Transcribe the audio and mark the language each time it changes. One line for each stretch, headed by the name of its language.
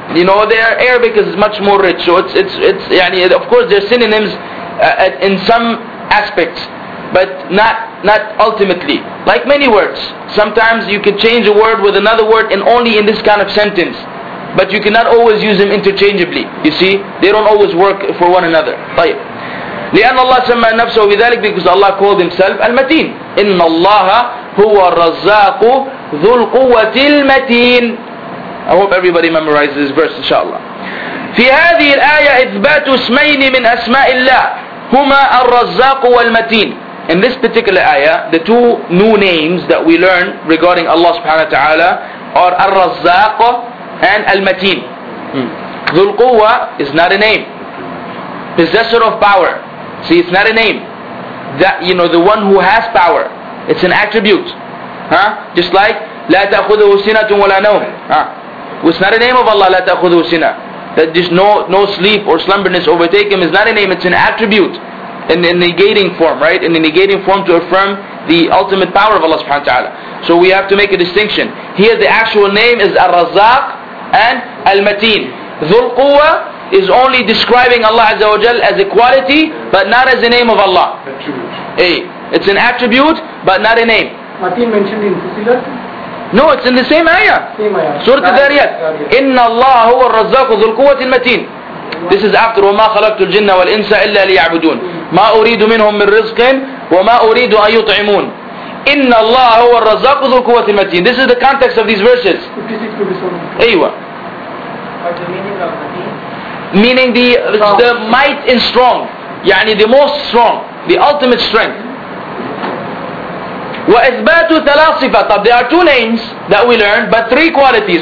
English: You know, their Arabic is much more rich. So it's yani, of course, they're synonyms in some aspects, but not ultimately. Like many words, sometimes you can change a word with another word and only in this kind of sentence. But you cannot always use them interchangeably. You see, they don't always work for one another.
Arabic: طيب. لأن الله سمى نفسه بذلك,
English: because Allah called Himself
Arabic: المتين. إن الله هو الرزاق ذو القوة المتين.
English: I hope everybody memorizes this verse, inshallah.
Arabic: في هذه الآية إثبات اسمين من أسماء الله هما الرزاق والمتين.
English: In this particular ayah, the two new names that we learn regarding Allah subhanahu wa ta'ala are الرزاق and المتين. ذو القوة is not a name. Possessor of power. See, it's not a name. That, you know, the one who has power. It's an attribute. Huh?
Arabic: Just like لا تأخذه سنة ولا نوم.
English: It's not a name of Allah,
Arabic: لا تأخذه سنة.
English: That there's no sleep or slumberness overtake him is not a name, it's an attribute. In a negating form, right? In a negating form to affirm the ultimate power of Allah subhanahu wa ta'ala. So we have to make a distinction. Here the actual name is Ar-Razzaq and Al-Mateen. Dhul-Quwa is only describing Allah Azza wa Jal as a quality, but not as a name of Allah. Attribute. It's an attribute, but not a name. Mateen mentioned in Fusilat? No, it's in the same ayah. Surah Al-Dhariyat. Inna Allah huwa Ar-Razzaq Dhul-Quwa Al-Mateen. This is after
Arabic: وَمَا خَلَقْتُ الْجِنَّ وَالْإِنسَ إِلَّا لِيَعْبُدُونَ مَا أُرِيدُ مِنْهُمْ مِنْ رِزْقٍ وَمَا أُرِيدُ أَنْ يُطْعِمُونَ إِنَّ اللَّهَ هُوَ الرَّزَّاقُ ذُو الْقُوَّةِ الْمَتِينَ.
English: This is the context of these verses.
Arabic: أيوة.
English: Meaning the might and strong. يعني the most strong. The ultimate strength.
Arabic: وَإِثْبَاتُ ثَلَاثِ صِفَةٍ.
English: طب, there are two names that we learned, but three qualities.